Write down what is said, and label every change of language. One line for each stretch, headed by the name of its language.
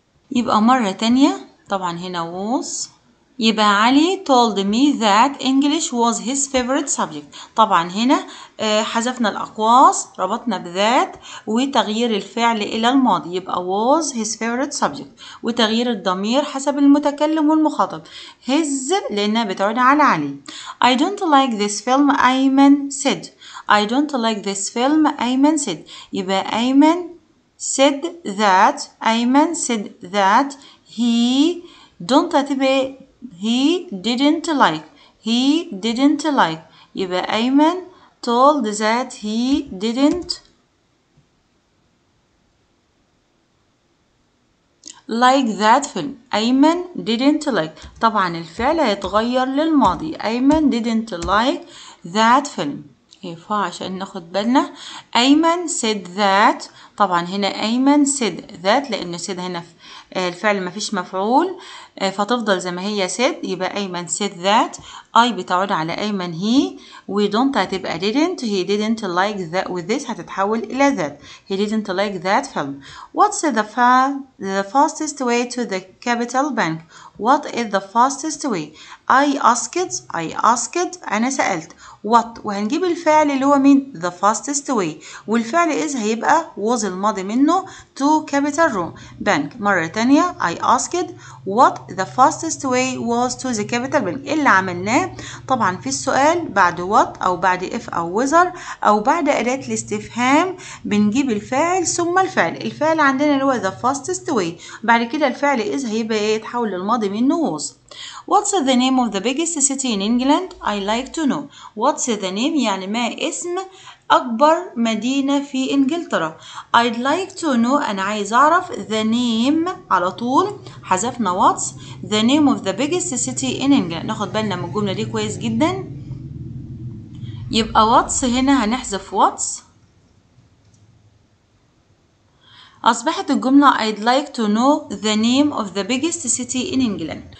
Arabic: يبقى مرة تانية، طبعا هنا was.
English: يبقى Ali told me that English was his favorite subject.
Arabic: طبعا هنا حذفنا الأقواس، ربطنا بذات، وتغيير الفعل إلى الماضي، يبقى was his favorite subject. وتغيير الضمير حسب المتكلم والمخاطب، his لأنها بتعود على علي.
English: I don't like this film Ayman said. I don't like this film Ayman said. يبقى Ayman said that، Ayman said that he didn't like. يبقى Ayman told that he didn't like that film. Ayman didn't like.
Arabic: طبعا الفعل هيتغير للماضي.
English: Ayman didn't like that film.
Arabic: ينفع عشان ناخد بالنا.
English: Ayman said that.
Arabic: طبعا هنا Ayman said that لأن said هنا الفعل ما فيش مفعول، فتفضل زي ما هي said.
English: يبقى Ayman said that. I بتعود على Ayman he. We don't هتبقى didn't. He didn't like that. With this
Arabic: هتتحول إلى
English: that. He didn't like that film. What's the fastest way to the capital bank? What is the fastest way? I asked.
Arabic: أنا سألت. What؟ وهنجيب الفعل اللي هو مين؟
English: The fastest way.
Arabic: والفعل is هيبقى was الماضي منه،
English: to capital room bank.
Arabic: مرة تانية،
English: I asked what the fastest way was to the capital bank.
Arabic: اللي عملناه طبعا في السؤال بعد what أو بعد if أو whether أو بعد أداة الاستفهام بنجيب الفعل ثم الفعل. الفعل عندنا اللي هو the fastest way، بعد كده الفعل is هيبقى ايه؟ تحول للماضي منه was.
English: What's the name of the biggest city in England? I like to know. What's the name
Arabic: يعني ما اسم أكبر مدينة في إنجلترا؟
English: I'd like to know.
Arabic: أنا عايز أعرف
English: the name
Arabic: على طول.
English: حذفنا what's the name of the biggest city in England.
Arabic: ناخد بالنا من الجملة دي كويس جدا. يبقى what's هنا هنحذف what's أصبحت الجملة
English: I'd like to know the name of the biggest city in England.